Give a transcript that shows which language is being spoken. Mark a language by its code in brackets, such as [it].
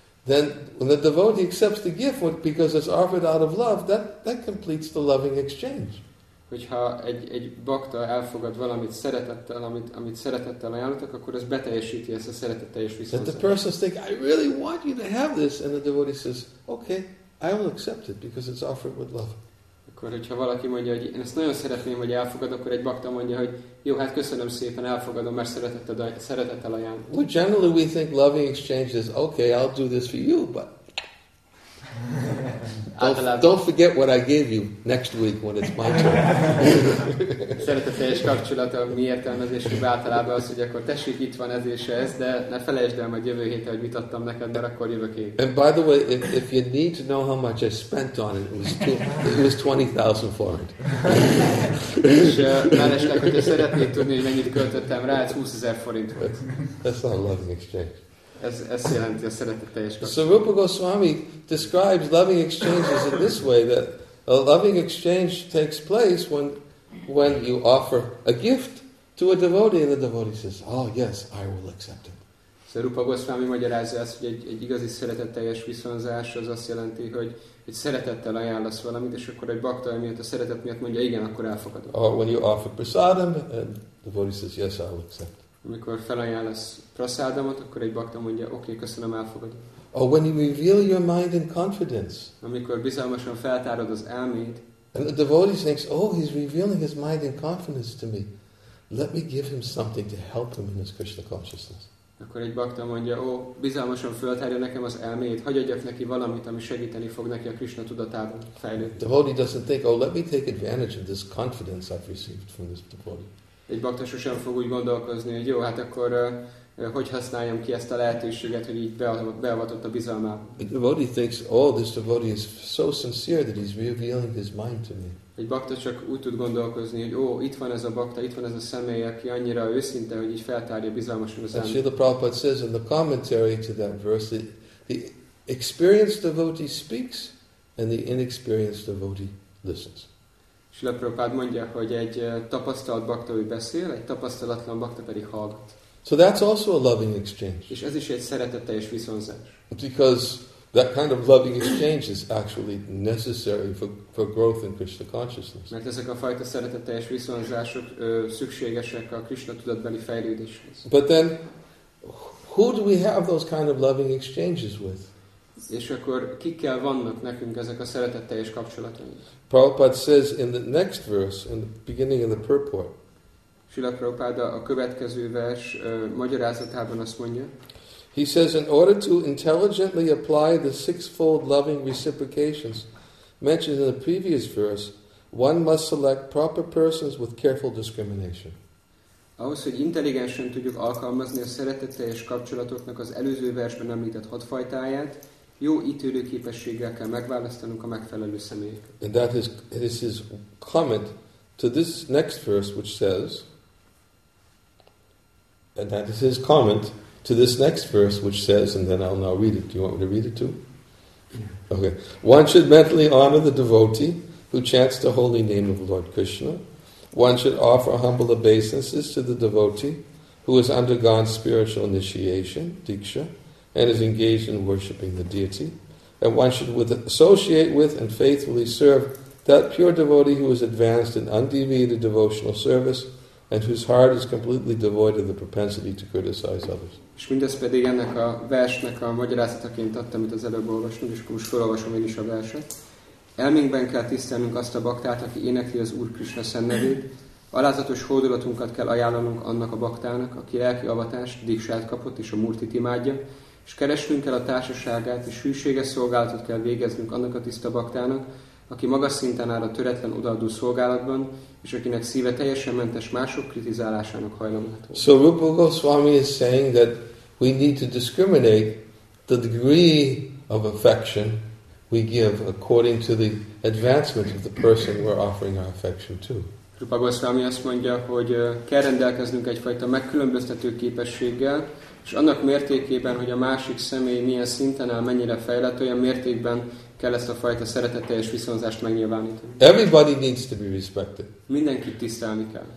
[en] then when the devotee accepts the gift because it's offered out of love, that completes the loving exchange. [hu] Hogyha egy bhakta elfogad valamit szeretettel, amit szeretettel ajánlottak, akkor ez beteljesíti ezt a szeretetteljes viszonzást. [en] The person thinks, I really want you to have this, and the devotee says, okay, I will accept it because it's offered with love. [hu] Akkor hogyha valaki mondja, hogy én ezt nagyon szeretném, hogy elfogad, akkor egy bhakta mondja, hogy jó, hát köszönöm szépen, elfogadom, mert szeretettel ajánlom. [en] Well, generally we think loving exchange is, okay, I'll do this for you, but don't forget what I gave you next week when it's my turn. [hu] Szeretetteljes kapcsolat a mi értelmezésünkben általában az, hogy akkor tessék, itt van ez és ez, de ne felejtsd el majd jövő héten, hogy mit adtam neked, mert akkor jövök én. [en] And by the way, if you need to know how much I spent on it, it was 20,400. [hu] És mellesleg, hogyha szeretnéd tudni, hogy mennyit költöttem rá, ez 20,000 forint volt. [en] That's not a loving exchange. [hu] Ez jelenti a szeretetteljes [en] kapcsolat. So Rupa Goswami describes loving exchanges in this way, that a loving exchange takes place when you offer a gift to a devotee and the devotee says, oh yes, I will accept it. [hu] So Rupa Goswami magyarázza azt, hogy egy igazi szeretetteljes viszonzás az azt jelenti, hogy szeretettel ajánlasz valamit, és akkor egy bhakta miatt a szeretet miatt mondja, igen, akkor elfogadom. [en] Or when you offer prasadam and the devotee says, yes, I will accept. [hu] Amikor felajánlasz prasádamot, akkor egy bhakta mondja, oké, okay, köszönöm, elfogadom. [en] Or when you reveal your mind in confidence. [hu] Amikor bizalmasan feltárod az elméd. [en] And the devotee thinks, oh, he's revealing his mind in confidence to me. Let me give him something to help him in his Krishna consciousness. [hu] Akkor egy bhakta mondja, ó, bizalmasan feltárja nekem az elméjét, hagy adjak neki valamit, ami segíteni fog neki a Krishna tudatában fejlődni. [en] The devotee doesn't think, oh, let me take advantage of this confidence I've received from this devotee. [hu] Egy bhakta sosem fog úgy gondolkozni, hogy jó, hát akkor hogy használjam ki ezt a lehetőséget, hogy így beavatott a bizalmába. [en] The devotee thinks, oh, this devotee is so sincere that he's revealing his mind to me. [hu] Egy bhakta csak úgy tud gondolkozni, hogy ó, itt van ez a bhakta, itt van ez a személy, aki annyira őszinte, hogy így feltárja bizalmasan az elmét. [en] Srila Prabhupada says in the commentary to that verse, the experienced devotee speaks, and the inexperienced devotee listens. [hu] Srila Prabhupada mondja, hogy egy tapasztalt bhakta úgy beszél, egy tapasztalatlan bhakta pedig hallgat. [en] So that's also a loving exchange. [hu] És ez is egy szeretetteljes viszonzás. [en] Because That kind of loving exchange is actually necessary for growth in Krishna consciousness. [hu] Mert ezek a fajta szeretetteljes viszonyzások szükségesek a Krishna tudatbeli fejlődéshez. [en] But then, who do we have those kind of loving exchanges with? [hu] És akkor kikkel vannak nekünk ezek a szeretetteljes kapcsolataink? [en] Prabhupada says in the next verse, in the beginning of the purport. [hu] Srila Prabhupada a következő vers magyarázatában azt mondja. [en] He says, in order to intelligently apply the sixfold loving reciprocations mentioned in the previous verse, one must select proper persons with careful discrimination. [hu] Ahhoz, hogy intelligensen tudjuk alkalmazni a szeretetteljes kapcsolatoknak az előző versben említett hat fajtáját, jó ítélőképességgel kell megválasztanunk a megfelelő személyeket. [en] And that is his comment to this next verse, which says, and that is his comment to this next verse, which says, and then I'll now read it. Do you want me to read it too? Yeah. Okay. One should mentally honor the devotee who chants the holy name of Lord Krishna. One should offer humble obeisances to the devotee who has undergone spiritual initiation, diksha, and is engaged in worshipping the deity. And one should associate with and faithfully serve that pure devotee who is advanced in undeviated devotional service and whose heart is completely devoid of the propensity to criticize others. [hu] És mindez pedig ennek a versnek a magyarázataként adta, amit az előbb olvasunk, és akkor most felolvasom én is a verset. Elménkben kell tisztelnünk azt a baktát, aki énekli az Úr Krisna szent nevét. Alázatos hódolatunkat kell ajánlanunk annak a baktának, aki lelki avatást, díksát kapott és a murtit imádja, és keresnünk kell a társaságát, és hűséges szolgálatot kell végeznünk annak a tiszta baktának, aki magas szinten áll a töretlen odaadó szolgálatban, és akinek szíve teljesen mentes mások kritizálásának hajlamát. [en] So Rupa Goswami is saying that we need to discriminate the degree of affection we give according to the advancement of the person we're offering our affection to. [hu] Rupa Goswami azt mondja, hogy kell rendelkeznünk egyfajta megkülönböztető képességgel, és annak mértékében, hogy a másik személy milyen szinten áll, mennyire fejlett, olyan mértékben kell ezt a fajta szeretetteljes viszonzást megnyilvánítani. [en] Everybody needs to be respected. [hu] Mindenkit tisztelni kell.